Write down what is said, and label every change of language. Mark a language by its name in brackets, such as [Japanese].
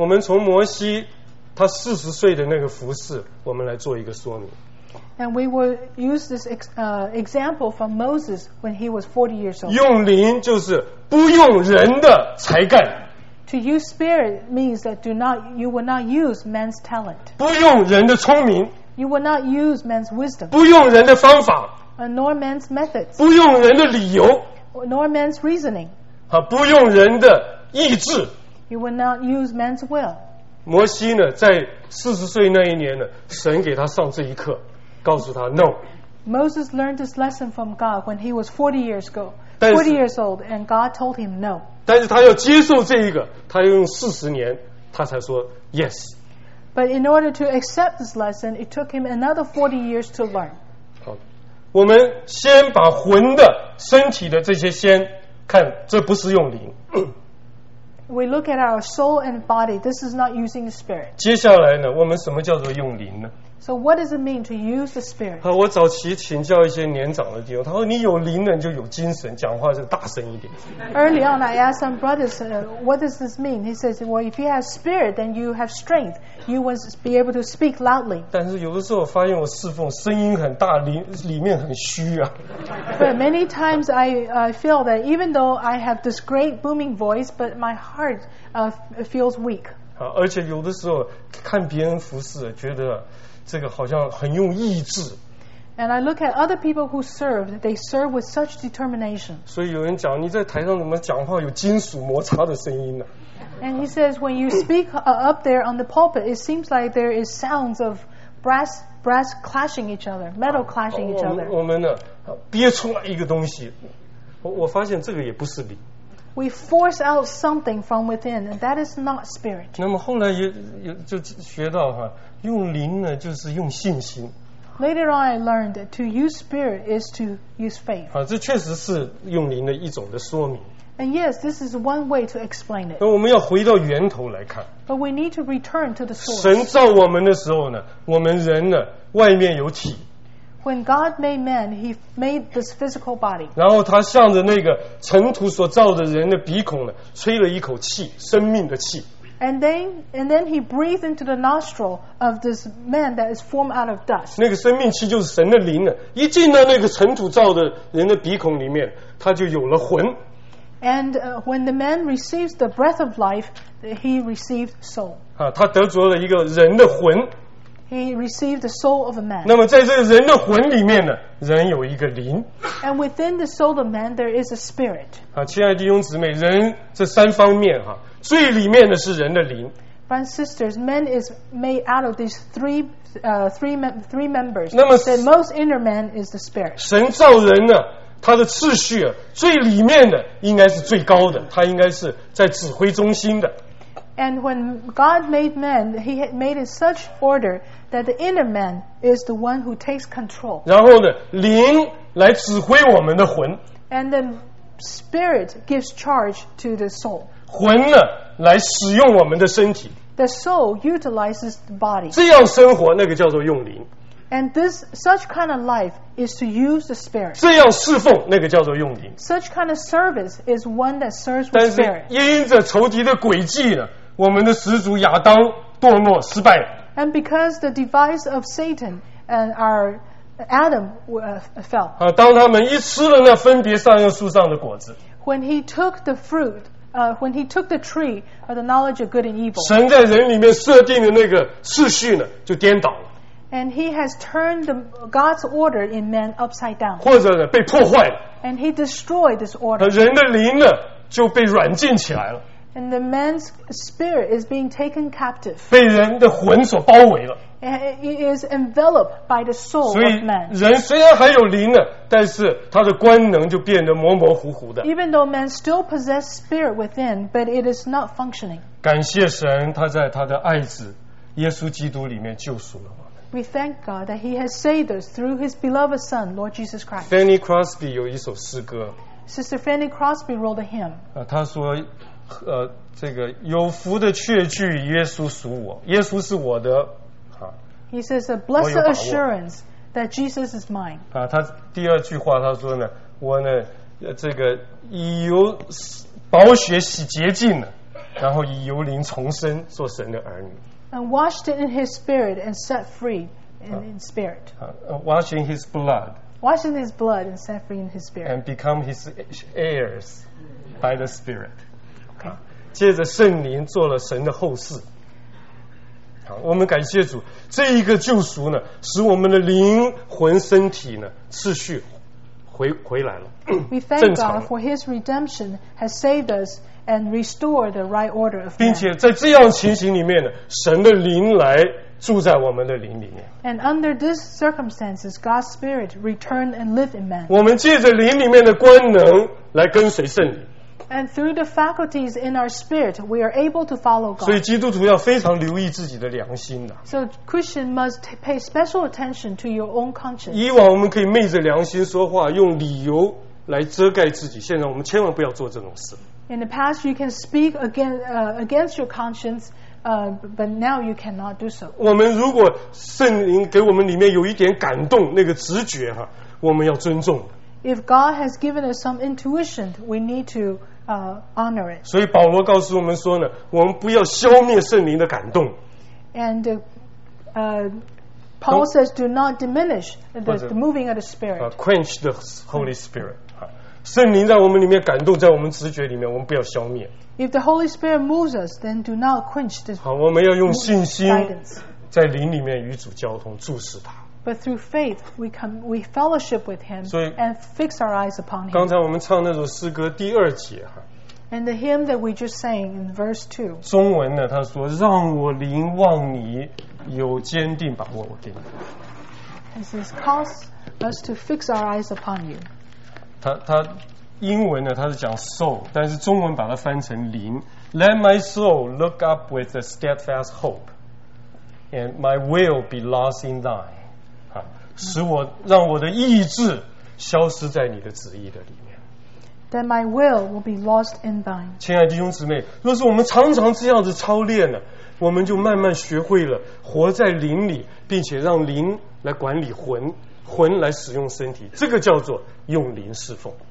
[Chinese] 我们从摩西他四十岁的那个服事我们来做一个说明 [English] and we will use this example from Moses when he was 40 years old [Chinese] 用灵就是不用人的才干 [English] To use spirit means that you will not use man's talent. [Chinese] 不用人的聪明。 [English] You will not use man's wisdom. [Chinese] 不用人的方法。 [English] Nor man's methods. [Chinese] 不用人的理由。 [English] Nor man's reasoning. [Chinese] 不用人的意志。 [English] You will not use man's will. [Chinese] 摩西呢，在四十岁那一年呢，神给他上这一课，告诉他 [English] no. Moses learned this lesson from God when he was 40 years ago. 40 years old, and God told him no. [Chinese] 但是他要接受这一个，他要用四十年，他才说 [English] yes. But in order to accept this lesson, it took him another 40 years to learn. [Chinese] 好，我们先把魂的、身体的这些先看，这不是用灵。 [English] We look at our soul and body. This is not using the spirit. [Chinese] 接下来呢，我们什么叫做用灵呢？ [English] So what does it mean to use the spirit? [Chinese] 我早期请教一些年长的弟兄，他说你有灵呢，你就有精神，讲话就大声一点。 [English] Early on, I asked some brothers, "What does this mean?" He says, "Well, if you have spirit, then you have strength. You will be able to speak loudly." [Chinese] 但是有的时候我发现我侍奉声音很大，里面很虚啊。 [English] But many times I feel that even though I have this great booming voice, but my heart feels weak. [Chinese] 而且有的时候看别人服侍，觉得。这个好像很用意志。 [English] And I look at other people who serve, they serve with such determination. [Chinese] 所以有人讲，你在台上怎么讲话有金属摩擦的声音呢？ [English] And he says, when you speak up there on the pulpit, it seems like there is sounds of brass clashing each other, metal clashing each other. [Chinese] 我们呢，憋出来一个东西，我发现这个也不是理。 [English] We force out something from within, and that is not spirit. [Chinese] 那么后来也就学到哈，用灵呢就是用信心。 [English] Later on, I learned that to use spirit is to use faith. [Chinese] 这确实是用灵的一种的说明。 [English] And yes, this is one way to explain it. [Chinese] 那我们要回到源头来看。 [English] But we need to return to the source. [Chinese] 神造我们的时候呢，我们人呢外面有体。 [English] When God made man, He made this physical body. [Chinese] 然后他向着那个尘土所造的人的鼻孔呢，吹了一口气，生命的气。 [English] And then He breathed into the nostril of this man that is formed out of dust. [Chinese] 那个生命气就是神的灵呢，一进到那个尘土造的人的鼻孔里面，他就有了魂。 [English] And when the man receives the breath of life, he receives soul. [Chinese] 他得着了一个人的魂。 [English] He received the soul of a man. [Chinese] 那么在这个人的魂里面呢，人有一个灵。 [English] And within the soul of man, there is a spirit. [Chinese] 亲爱的弟兄姊妹，人这三方面哈，最里面的是人的灵。 [English] Brothers and sisters, man is made out of these three members. [Chinese] 那么 [English] the most inner man is the spirit. [Chinese] 神造人呢，他的次序最里面的应该是最高的，他应该是在指挥中心的。 [English] And when God made man, He had made it such order that the inner man is the one who takes control. [Chinese] 然后呢，灵来指挥我们的魂。 [English] And the spirit gives charge to the soul. [Chinese] 魂呢，来使用我们的身体。 [English] The soul utilizes the body. [Chinese] 这样生活，那个叫做用灵。 [English] And this such kind of life is to use the Spirit. [Chinese] 这样侍奉那个叫做用灵。 [English] Such kind of service is one that serves with Spirit. [Chinese] 但是因着仇敌的诡计呢，我们的始祖亚当堕落失败了。 [English] And because the device of Satan and our Adam fell. [Chinese] 啊，当他们一吃了那分别善恶树上的果子。 [English] When he took the fruit. When he took the tree of the knowledge of good and evil, [Chinese] 神在人里面设定的那个次序呢，就颠倒了。 [English] And he has turned the God's order in man upside down. [Chinese] 或者呢，被破坏了。 [English] And he destroyed this order. [Chinese] 人的灵呢，就被软禁起来了。 [English] And the man's spirit is being taken captive. [Chinese] 被人的魂所包围了。 [English] And it is enveloped by the soul of man. [Chinese] 所以人虽然还有灵呢，但是他的官能就变得模模糊糊的。 [English] Even though man still possesses spirit within, but it is not functioning. [Chinese] 感谢神，他在他的爱子耶稣基督里面救赎了我们。 [English] We thank God that He has saved us through His beloved Son, Lord Jesus Christ. [Chinese] Fanny Crosby 有一首诗歌。 [English] Sister Fanny Crosby wrote a hymn. [Chinese] 她说。这个有福的确据耶稣属我耶稣是我的、啊、 [English] He says a blessed assurance that Jesus is mine、 [Chinese] 啊、他第二句话他说呢我呢这个以油宝血洗洁净了然后以油灵重生做神的儿女 [English] And washed in his spirit and set free in, 啊, in spirit、啊、washing his blood washing his blood and set free in his spirit and become his heirs by the spirit Okay. [Chinese] 借着圣灵做了神的后嗣好我们感谢主这一个救赎呢使我们的灵魂身体呢次序 回来了 [English] We thank God for his redemption has saved us and restored the right order of man [Chinese] 并且在这样情形里面呢神的灵来住在我们的灵里面 [English] And under these circumstances God's spirit returned and lived in man [Chinese] 我们借着灵里面的官能来跟随圣灵 [English] And through the faculties in our spirit, we are able to follow God. [Chinese] 所以基督徒要非常留意自己的良心的。 [English] So Christian must pay special attention to your own conscience. [Chinese] 以往我们可以昧着良心说话，用理由来遮盖自己。现在我们千万不要做这种事。 [English] In the past, you can speak against your conscience, but now you cannot do so. [Chinese] 我们如果圣灵给我们里面有一点感动，那个直觉哈，我们要尊重。 [English] If God has given us some intuition, we need to honor it. [Chinese] 所以保罗告诉我们说呢，我们不要消灭圣灵的感动。 [English] And Paul says, do not diminish the moving of the Spirit. Quench the Holy Spirit. [Chinese] 圣灵在我们里面感动，在我们直觉里面，我们不要消灭。 [English] If the Holy Spirit moves us, then do not quench the guidance. [Chinese] 好，我们要用信心在灵里面与主交通，注视他。 [English] But through faith, we fellowship with him and fix our eyes upon him. [Chinese] 刚才我们唱那首诗歌第二节哈。 [English] And the hymn that we just sang in verse 2. [Chinese] 中文呢，他说：“让我灵望你，有坚定把握我给你。” [English] He says, "Cause us to fix our eyes upon you." [Chinese] 他英文呢，他是讲 soul， 但是中文把它翻成灵。 [English] Let my soul look up with a steadfast hope, and my will be lost in thine. [Chinese] 使我让我的意志消失在你的旨意的里面。 [English] That my will be lost in thine. [Chinese] 亲爱的弟兄姊妹，若是我们常常这样子操练呢，我们就慢慢学会了活在灵里，并且让灵来管理魂，魂来使用身体，这个叫做用灵侍奉。